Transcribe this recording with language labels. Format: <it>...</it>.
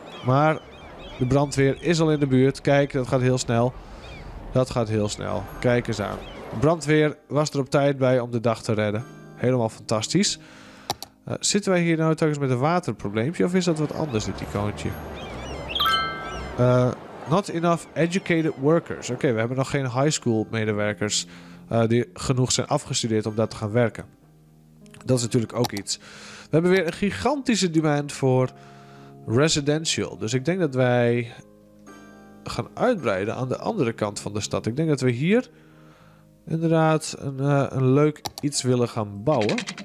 <nl>Maar de brandweer is al in de buurt. Kijk, dat gaat heel snel. Dat gaat heel snel. Kijk eens aan. De brandweer was er op tijd bij om de dag te redden. Helemaal fantastisch. Zitten wij hier nou telkens met een waterprobleempje? Of is dat wat anders, dit icoontje?</nl> <en>Not enough educated workers.</en> <nl>Oké, we hebben nog geen high school medewerkers die genoeg zijn afgestudeerd om daar te gaan werken. Dat is natuurlijk ook iets. We hebben weer een gigantische demand voor residential. Dus ik denk dat wij gaan uitbreiden aan de andere kant van de stad. Ik denk dat we hier inderdaad een leuk iets willen gaan bouwen.</nl>